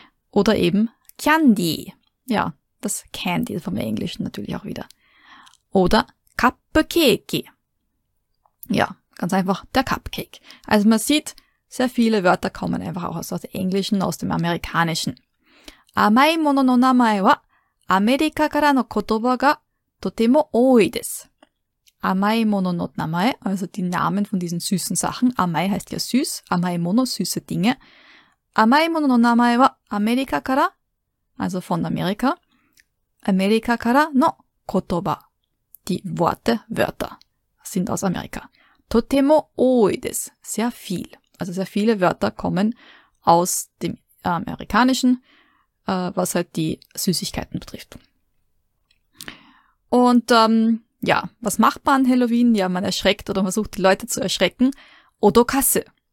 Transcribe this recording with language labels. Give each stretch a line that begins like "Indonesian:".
German: Oder eben Candy. Ja, das Candy vom Englischen natürlich auch wieder. Oder Cupcake. Ja, ganz einfach der Cupcake. Also man sieht, sehr viele Wörter kommen einfach auch aus dem Englischen, aus dem Amerikanischen.
Japanese: 甘いものの名前はアメリカからの言葉がとても多いです。甘いものの名前,
German: also die Namen von diesen süßen Sachen.
Japanese: 甘い
German: heißt ja süß,
Japanese: 甘いもの,
German: süße Dinge.
Japanese: 甘いものの名前はアメリカから,
German: also von Amerika,
Japanese: アメリカからの言葉,
German: die Worte, Wörter, sind aus Amerika.
Japanese: とても多いです,
German: sehr viel. Also sehr viele Wörter kommen aus dem Amerikanischen, was halt die Süßigkeiten betrifft. Und ja, was macht man an Halloween? Ja, man erschreckt oder versucht die Leute zu erschrecken. Odokase.